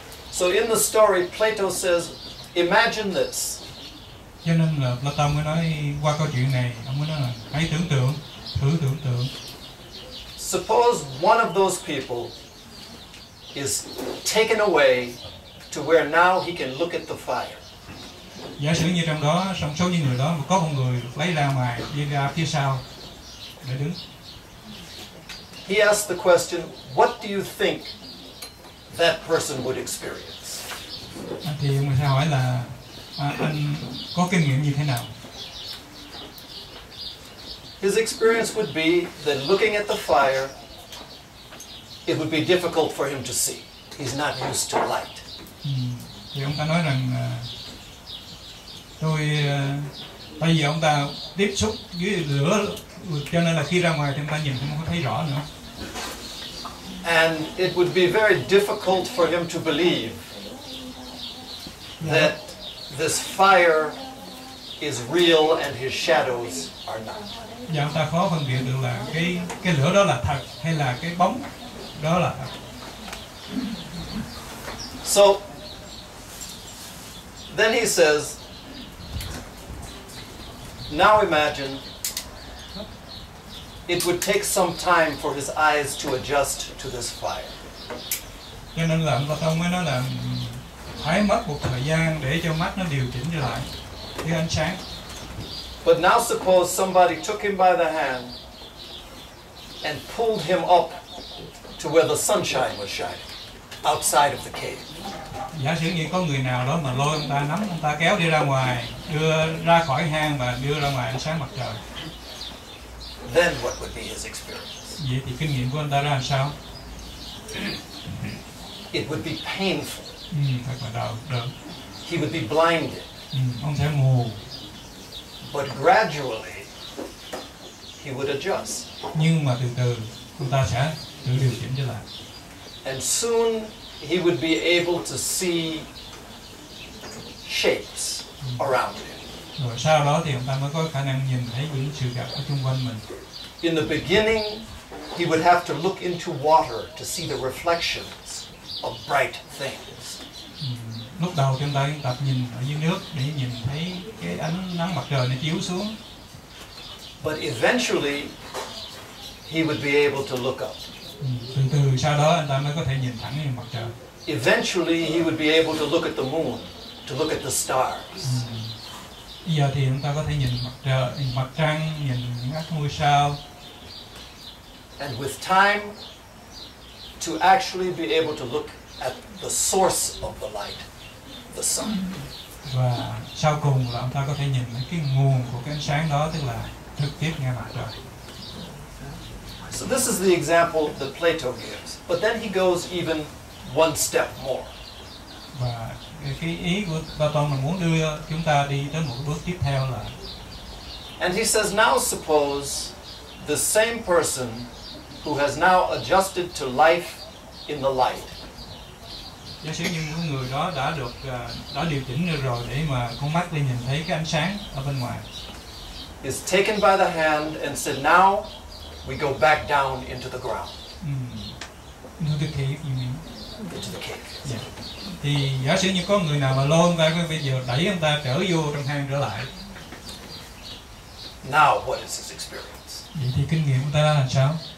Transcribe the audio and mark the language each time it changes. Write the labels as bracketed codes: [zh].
[en] So in the story, Plato says, imagine this. [vi] Cho nên là Platon mới nói qua câu chuyện này, ông mới nói là hãy tưởng tượng, thử tưởng tượng. [en] Suppose one of those people is taken away to where now he can look at the fire. [vi] Giả sử như trong đó, trong số những người đó có một người lấy ra ngoài, đi ra phía sau để đứng. [en] He asked the question, what do you think that person would experience? [vi] Thì người ta hỏi là anh có kinh nghiệm như thế nào? [en] His experience would be that looking at the fire, it would be difficult for him to see. He's not used to light. [vi] Thì ông ta nói rằng tôi tại vì ông ta tiếp xúc với lửa, cho nên là khi ra ngoài thì ông ta nhìn không có thấy rõ nữa. [en] And it would be very difficult for him to believe that this fire is real and his shadows are not. [vi] Và ông ta khó phân biệt được là cái lửa đó là thật hay là cái bóng đó là thật. [en] So then he says, now imagine it would take some time for his eyes to adjust to this fire. [vi] Cho nên là ông Platon mới nói là phải mất một thời gian để cho mắt nó điều chỉnh lại cái ánh sáng. [en] But now suppose somebody took him by the hand and pulled him up to where the sunshine was shining outside of the cave. [vi] Giả sử như có người nào đó mà lôi ông ta, nắm ông ta, kéo đi ra ngoài, đưa ra khỏi hang và đưa ra ngoài ánh sáng mặt trời. [en] Then what would be his experience? [vi] Vậy thì kinh nghiệm của ông ta ra làm sao? [en] It would be painful. [vi] Thật là đau đớn. [en] He would be blinded. [vi] Ông sẽ mù. [en] But gradually, he would adjust. [vi] Nhưng mà từ từ, ông ta sẽ tự điều chỉnh trở lại. [en] And soon, he would be able to see shapes around him. [vi] Rồi sau đó thì ông ta mới có khả năng nhìn thấy những sự vật ở xung quanh mình. [en] In the beginning, he would have to look into water to see the reflections of bright things. [vi] Lúc đầu thì ông ta tập nhìn ở dưới nước để nhìn thấy cái ánh nắng mặt trời nó chiếu xuống. [en] But eventually, he would be able to look up. [vi] Từ từ sau đó anh ta mới có thể nhìn thẳng lên mặt trời. [en] Eventually he would be able to look at the moon, to look at the stars. [vi] Giờ thì anh ta có thể nhìn mặt trời, mặt trăng, nhìn các ngôi sao. [en] And with time, to actually be able to look at the source of the light, the sun. [vi] Và sau cùng là anh ta có thể nhìn thấy cái nguồn của cái ánh sáng đó, tức là trực tiếp ngay mặt trời. [en] So this is the example that Plato gives. But then he goes even one step more. [vi] Và cái ý của Platon là muốn đưa chúng ta đi tới một bước tiếp theo là. [en] And he says, now suppose the same person who has now adjusted to life in the light. [vi] Giả sử như những người đó đã được đã điều chỉnh được rồi để mà con mắt đi nhìn thấy cái ánh sáng ở bên ngoài. [en] Is taken by the hand and said, now we go back down into the ground. Into the cave, you mean? Into the cave. Yeah. [vi] Thì giả sử như có người nào mà lôi ông ta, bây giờ đẩy ông ta trở vô trong hang trở lại. [en] Now what is his experience? [vi] Vậy thì kinh nghiệm của ta là sao?